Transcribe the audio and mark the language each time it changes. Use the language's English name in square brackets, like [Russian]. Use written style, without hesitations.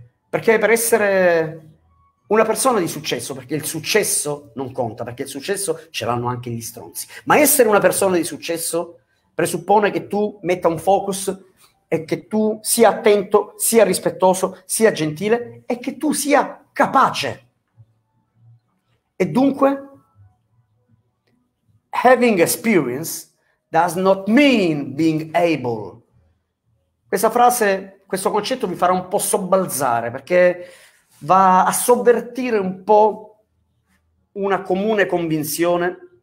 [Italian] Perché per essere una persona di successo, perché il successo non conta, perché il successo ce l'hanno anche gli stronzi, ma essere una persona di successo presuppone che tu metta un focus e che tu sia attento, sia rispettoso, sia gentile e che tu sia capace. E dunque, [English] having experience does not mean being able. [Italian] Questa frase, questo concetto vi farà un po' sobbalzare, perché va a sovvertire un po' una comune convinzione.